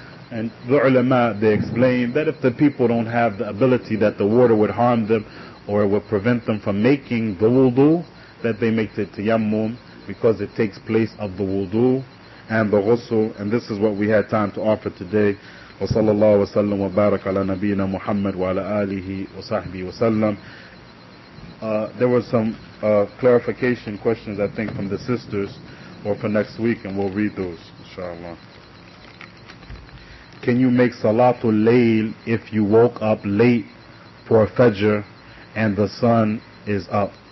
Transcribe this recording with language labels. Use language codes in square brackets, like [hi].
[en] And the ulama, they explain that if the people don't have the ability that the water would harm them or it would prevent them from making the wudu, that they make the tayammum because it takes place of the wudu and the ghusl. And this is what we had time to offer today. [ar] وصلى الله وسلم وبارك على نبينا محمد وعلى آله وصحبه وسلم. [en] There were some clarification questions, I think, from the sisters, or for next week, and we'll read those, inshallah. Can you make Salatul Layl if you woke up late for Fajr and the sun is up?